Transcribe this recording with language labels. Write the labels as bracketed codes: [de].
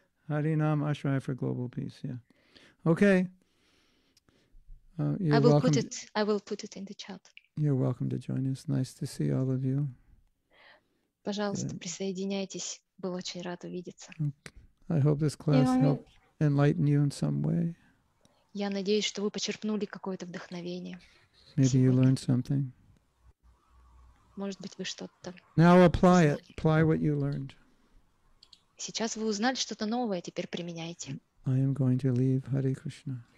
[en] Harinam Ashraya for Global Peace, yeah. Okay. I will put it in the chat. You're welcome to join us. Nice to see all of you. [ru] Пожалуйста, yeah. Присоединяйтесь. Был очень рад увидеться. [en] Okay. I hope this class helped enlighten you in some way. [ru] Я надеюсь, что вы почерпнули какое-то вдохновение. [en] Maybe [ru] сегодня. [en] You learned something. [ru] Может быть, вы что-то... [en] Now apply it. Apply what you learned. [ru] Сейчас вы узнали что-то новое, теперь применяйте. [en] I am going to leave. Hare Krishna.